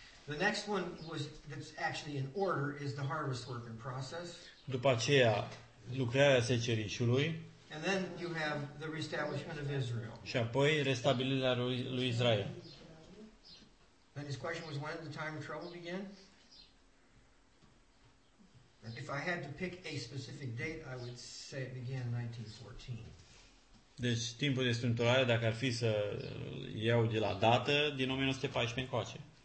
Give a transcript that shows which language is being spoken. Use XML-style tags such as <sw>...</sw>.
<en>The next one was that's actually in order is the harvest work in process.</en> <ro>După aceea lucrarea secerișului.</ro> <en>And then you have the reestablishment of Israel.</en> <ro>Și apoi restabilirea lui Israel.</ro> <en>And his question was, when did the time of trouble begin? And if I had to pick a specific date, I would say it began 1914.</en> <ro>Deci timpul de strânturare, dacă ar fi să iau de la dată, din 1914 încoace.</ro>